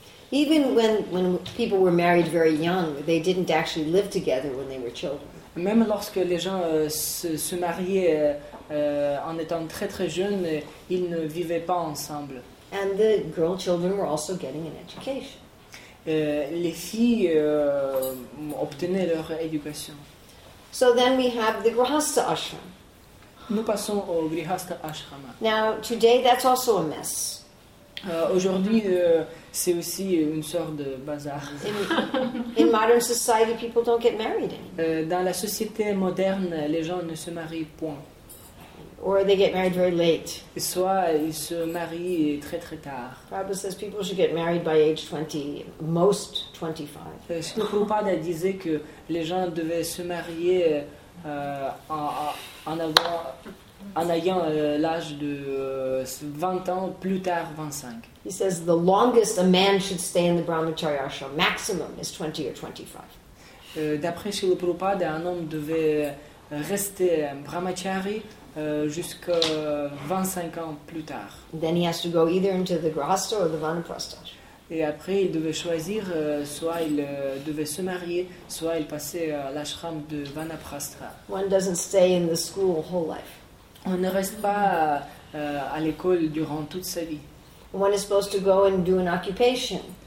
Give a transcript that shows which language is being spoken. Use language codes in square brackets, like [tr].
[en] Even when people were married very young, they didn't actually live together when they were children. [fr] Même lorsque les gens se mariaient en étant très très jeunes, ils ne vivaient pas ensemble. [en] And the girl children were also getting an education. [fr] Les filles obtenaient leur éducation. [en] So then we have the Grihastha Ashram. [fr] Nous passons au Grihastha Ashram. [en] Now today that's also a mess. [fr] Aujourd'hui, c'est aussi une sorte de bazar. [en] In modern society, people don't get married anymore. [fr] Dans la société moderne, les gens ne se marient point. [en] Or they get married very late. [fr] Soit ils se marient très très tard. [en] Prabhupada says people should get married by age 20, most 25. [fr] Prabhupada disait que les gens devaient se marier en ayant l'âge de 20 ans, plus tard 25. [en] He says the longest a man should stay in the Brahmacharya ashram maximum is 20 or 25. [fr] D'après Srila Prabhupada, un homme devait rester un Brahmachari jusqu'à 25 ans plus tard. [en] Then he has to go either into the Grihastha or the Vanaprastha. [fr] Et après, il devait choisir, soit il devait se marier, soit il passait à l'ashram de Vanaprastha. [en] One doesn't stay in the school whole life. [fr] On ne reste pas à l'école durant toute sa vie. [en] One is supposed to go and do an occupation.